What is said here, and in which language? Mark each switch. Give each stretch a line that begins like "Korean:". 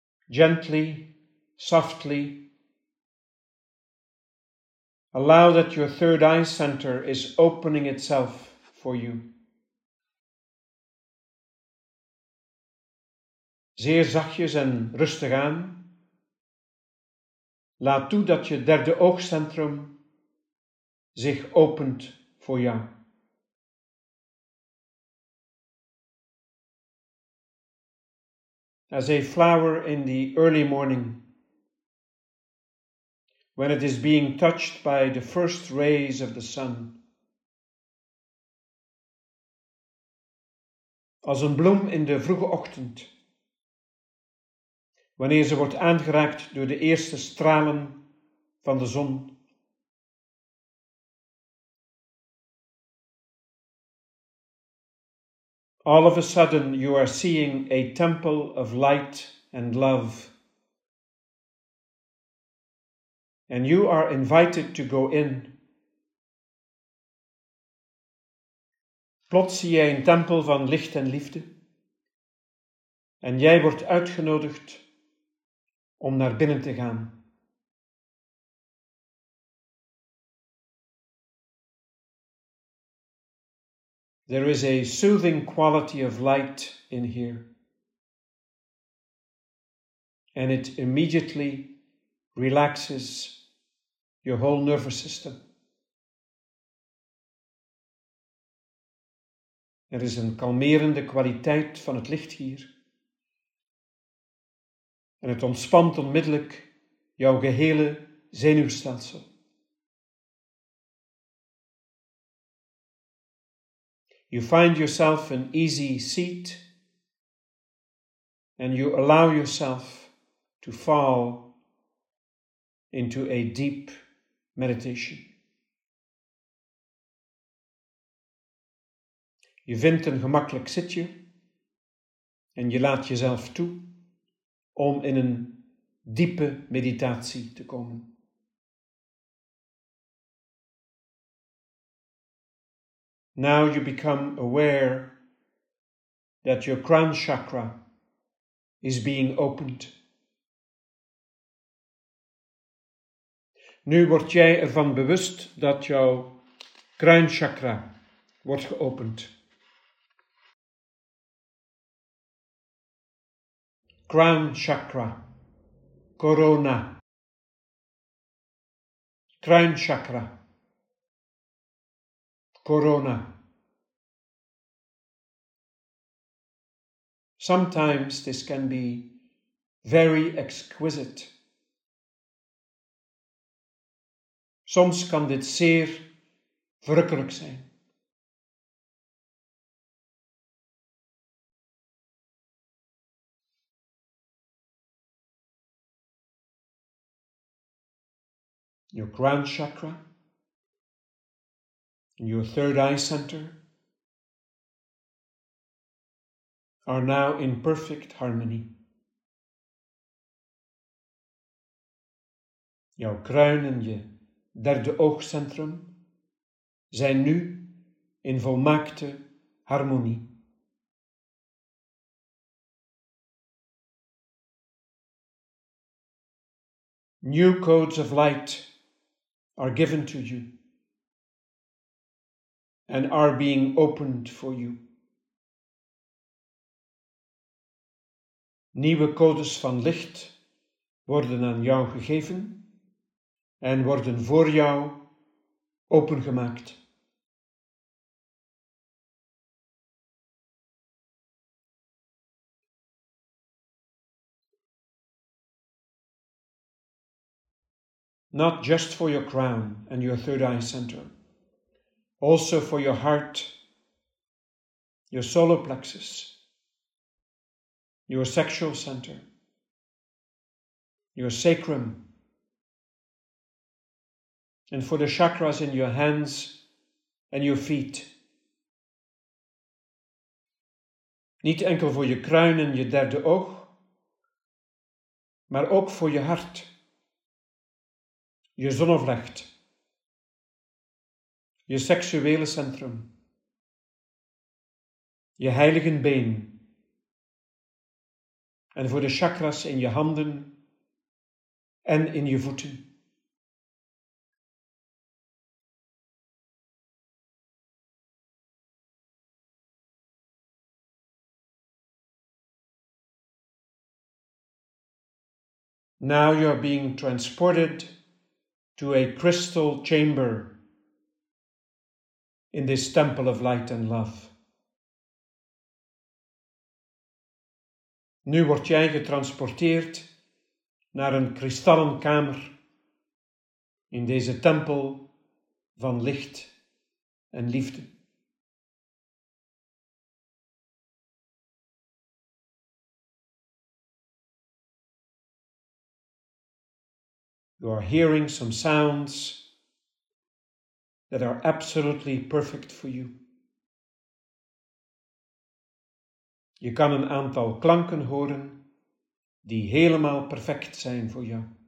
English: Gently, softly, allow that your third eye center is opening itself for you.
Dutch: Zeer zachtjes en rustig aan, laat toe dat je derde oogcentrum zich opent voor jou.
English: As a flower in the early morning, when it is being touched by the first rays of the sun,
Dutch: als een bloem in de vroege ochtend, wanneer ze wordt aangeraakt door de eerste stralen van de zon,
English: all of a sudden you are seeing a temple of light and love. And you are invited to go in.
Dutch: Plots zie jij een tempel van licht en liefde. En jij wordt uitgenodigd om naar binnen te gaan.
English: There is a soothing quality of light in here. And it immediately relaxes your whole nervous system.
Dutch: Er is een kalmerende kwaliteit van het licht hier. En het ontspant onmiddellijk jouw gehele zenuwstelsel.
English: You find yourself an easy seat and you allow yourself to fall into a deep meditation.
Dutch: Je vindt een gemakkelijk zitje en je laat jezelf toe om in een diepe meditatie te komen.
English: Now you become aware that your crown chakra is being opened.
Dutch: Nu word jij ervan bewust dat jouw kruinchakra wordt geopend.
English: Crown chakra, corona. Crown chakra, corona. Sometimes this can be very exquisite.
Dutch: Soms kan dit zeer verrukkelijk zijn.
English: Your crown chakra, your third eye center, are now in perfect harmony.
Dutch: Jouw kruin en je derde oogcentrum zijn nu in volmaakte harmonie.
English: New codes of light are given to you and are being opened for you.
Dutch: Nieuwe codes van licht worden aan jou gegeven en worden voor jou opengemaakt.
English: not just for your crown and your third eye center, also for your heart, your solar plexus, your sexual center, your sacrum, and for the chakras in your hands and your feet.
Dutch: Niet enkel voor je kruin en je derde oog, maar ook voor je hart, je zonnevlecht, je seksuele centrum, je heilige been en voor de chakras in je handen en in je voeten.
English: Now you are being transported to a crystal chamber in this temple of light and love.
Dutch: Nu word jij getransporteerd naar een kristallen kamer in deze tempel van licht en liefde.
English: You are hearing some sounds that are absolutely perfect for you.
Dutch: Je kan een aantal klanken horen die helemaal perfect zijn voor jou.